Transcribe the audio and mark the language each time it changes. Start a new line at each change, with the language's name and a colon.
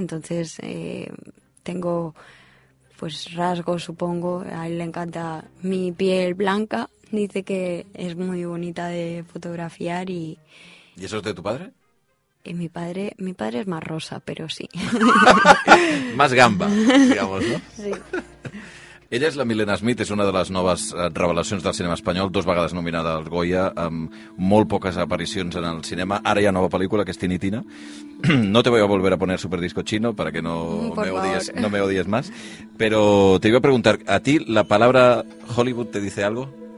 Spanish: Entonces tengo pues rasgos, supongo. A él le encanta mi piel blanca. Dice que es muy bonita de fotografiar y... ¿Y eso es de tu padre? Mi padre es más rosa, pero sí. Más gamba, digamos, ¿no? Sí.
Catalan: Ella és la Milena Smith, és una de les noves revelacions del cinema espanyol, dos vegades nominada als Goya, amb molt poques aparicions en el cinema. Ara hi ha nova pel·lícula, que és Tinitina.
Spanish: No te voy a volver a poner Superdisco Chino, para que no me odies más. Pero te iba a preguntar, ¿a ti la palabra Hollywood te dice algo?